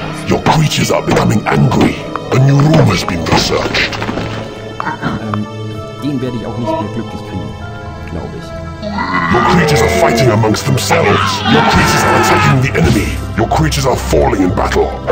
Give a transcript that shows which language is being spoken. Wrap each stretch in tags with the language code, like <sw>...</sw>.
<en>Your creatures are becoming angry. A new room has been researched.</en> <de>Den werde ich auch nicht mehr glücklich kriegen, glaube ich.</de> <en>Your creatures are fighting amongst themselves. Your creatures are attacking the enemy. Your creatures are falling in battle.</en>